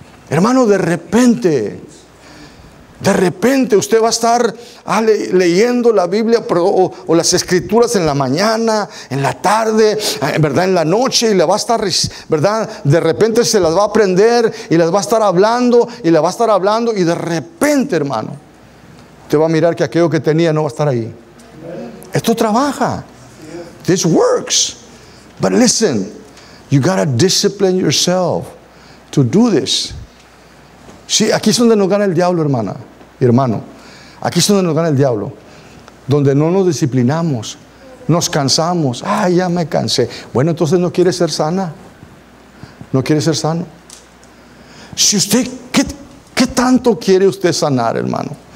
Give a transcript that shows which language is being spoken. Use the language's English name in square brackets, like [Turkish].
[Spanish] Hermano, de repente usted va a estar leyendo la Biblia o las escrituras en la mañana, en la tarde, ¿verdad?, en la noche, y le va a estar, ¿verdad?, de repente se las va a aprender y las va a estar hablando y la va a estar hablando, y de repente, hermano, te va a mirar que aquello que tenía no va a estar ahí. Esto trabaja. [English] This works. But listen, you gotta discipline yourself to do this. [Spanish] Sí, aquí es donde nos gana el diablo, hermana y hermano. Aquí es donde nos gana el diablo. Donde no nos disciplinamos. Nos cansamos. Ah, ya me cansé. Bueno, entonces no quiere ser sana. No quiere ser sano. Si usted, ¿qué tanto quiere usted sanar, hermano?